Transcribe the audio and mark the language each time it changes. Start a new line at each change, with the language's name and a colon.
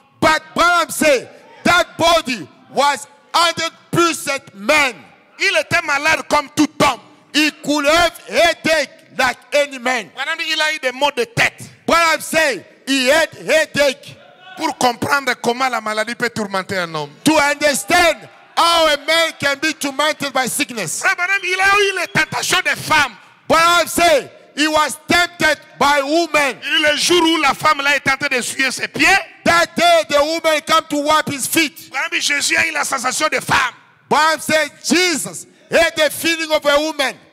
English: But Branham said that body was 100% man.
French: Il était malade comme tout homme.
English: He could have headache like any man.
French: Branham il a eu des maux de tête.
English: Branham said he had headache.
French: Pour comprendre comment la maladie peut tourmenter un homme.
English: To understand how a man can be tormented by sickness.
French: Branham il a eu les tentations des femmes.
English: What I'm saying, he was tempted by women.
French: Le jour où la femme là est en train d'essuyer ses pieds,
English: that day the woman came to wipe his feet.
French: Quand Jésus a eu la sensation de femme.
English: What I'm saying, Jesus had the feeling of a woman.